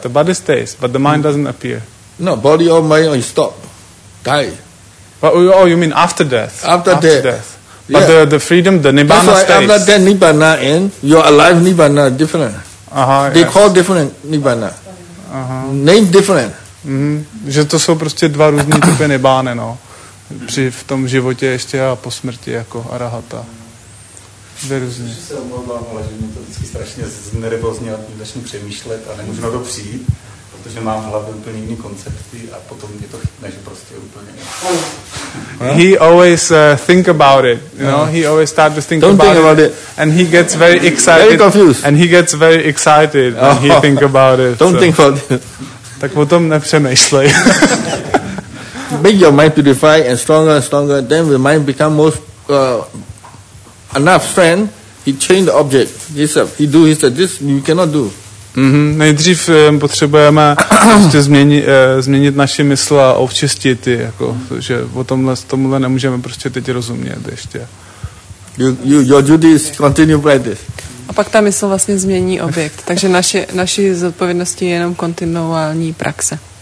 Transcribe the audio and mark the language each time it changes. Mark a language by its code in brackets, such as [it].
[en] The body stays, but the mind doesn't appear. No, body or mind only stop, die. But, oh, you mean after death? After death. But yeah. the freedom, the nibbana that's stays. After death, nibbana in, your alive nibbana different. Uh-huh, they yes. call different nibbana. Uh-huh. Name different. Mm-hmm. [cs] Že to jsou prostě dva různý typy nibbany, no. Při v tom životě ještě a po smrti jako arahata. Dvě různě. Já se omlouvám, ale že mě to vždycky strašně znervozní, ale začnu přemýšlet a nemůžu na to přijít. Protože mám v hlavě úplně jiný koncepty a potom mě to chytne, že prostě úplně. [en] He always think about it, you know. He always start to think about it, and he gets very excited. Very confused. And he gets very excited when he think about it. Don't think about it. [cs] Tak o tom nepřemýšlej. [en] Make your mind purify and stronger, then the mind become most enough strength. He change the object. This you cannot do. Mm-hmm. [cs] Nejdřív potřebujeme prostě změnit naši mysl a očistit ji, jako, že o tomhle nemůžeme prostě teď rozumět ještě. [en] Your duty is continue like this. [cs] A pak ta mysl vlastně změní objekt, takže naši zodpovědnosti je jenom kontinuální praxe.